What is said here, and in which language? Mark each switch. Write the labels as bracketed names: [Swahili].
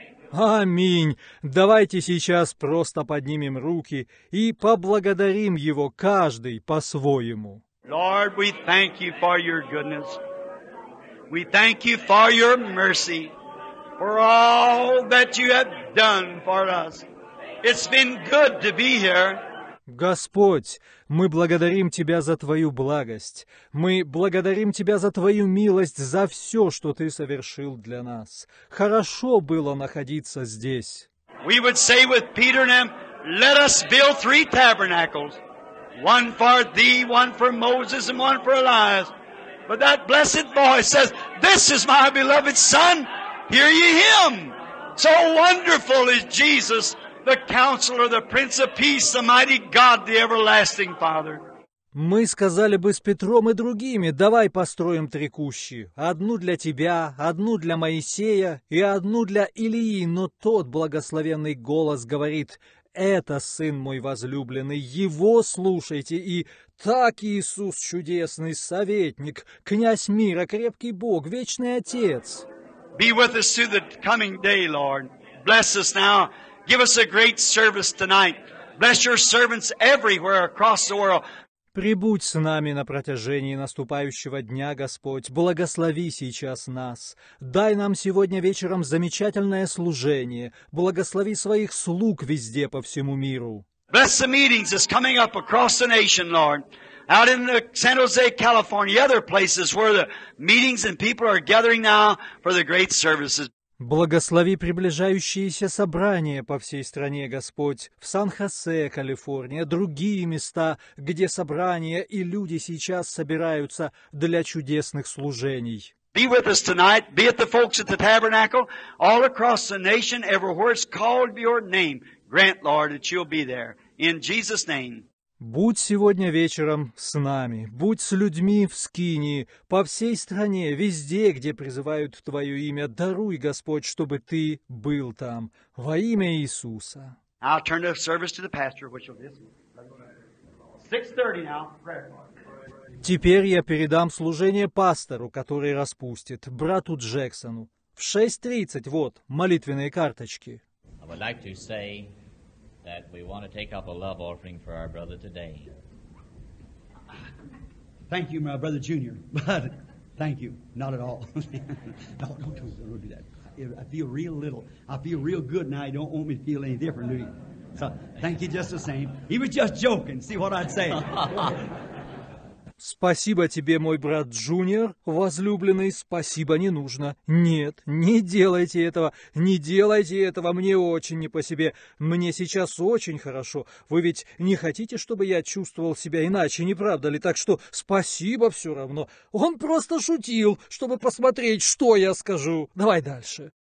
[Russian] Аминь. Давайте сейчас просто поднимем руки и поблагодарим Его каждый по-своему. [English] Lord, we thank You for Your goodness. We thank You for Your mercy, for all that You have done for us. It's been good to be here. [Russian] Господь, мы благодарим Тебя за Твою благость. Мы благодарим Тебя за Твою милость, за все, что Ты совершил для нас. Хорошо было находиться здесь. [English] We would say with Peter and them, let us build three tabernacles. One for Thee, one for Moses, and one for Elias. But that blessed boy says, this is my beloved Son, hear ye Him. So wonderful is Jesus. The Counselor, the Prince of Peace, the Mighty God, the Everlasting Father. [Russian] Мы сказали бы с Петром и другими, давай построим три кущи. Одну для тебя, одну для Моисея и одну для Илии. Но тот благословенный голос говорит, это Сын мой возлюбленный, Его слушайте. И так Иисус чудесный, Советник, Князь мира, Крепкий Бог, Вечный Отец. [English] Be with us through the coming day, Lord. Bless us now. Give us a great service tonight. Bless your servants everywhere across the world. [Russian] Прибудь с нами на протяжении наступающего дня, Господь. Благослови сейчас нас. Дай нам сегодня вечером замечательное служение. Благослови своих слуг везде по всему миру. [English] Bless the meetings that's coming up across the nation, Lord. Out in the San Jose, California, other places where the meetings and people are gathering now for the great services. [Russian] Благослови приближающиеся собрания по всей стране, Господь, в Сан-Хосе, Калифорния, другие места, где собрания и люди сейчас собираются для чудесных служений. [English] Be with us tonight, be at the folks at the tabernacle, all across the nation, everywhere it's called your name. Grant, Lord, that you'll be there. In Jesus' name. [Russian] Будь сегодня вечером с нами, будь с людьми в Скинии, по всей стране, везде, где призывают Твое имя, даруй, Господь, чтобы Ты был там, во имя Иисуса. [English] I'll turn the service to the pastor, which will be 6:30 now. [Russian] Теперь я передам служение пастору, который распустит, брату Джексону. В 6:30, вот, молитвенные карточки. [English] I would like to say... that we want to take up a love offering for our brother today. Thank you, my brother Junior, but thank you, not at all. don't do that. I feel real little. I feel real good now. You don't want me to feel any different, do you? So thank you just the same. He was just joking. See what I'd say. [Russian] Спасибо тебе, мой брат Джуниор, возлюбленный, спасибо не нужно. Нет, не делайте этого, не делайте этого, мне очень не по себе. Мне сейчас очень хорошо. Вы ведь не хотите, чтобы я чувствовал себя иначе, не правда ли? Так что спасибо все равно. Он просто шутил, чтобы посмотреть, что я скажу. Давай дальше.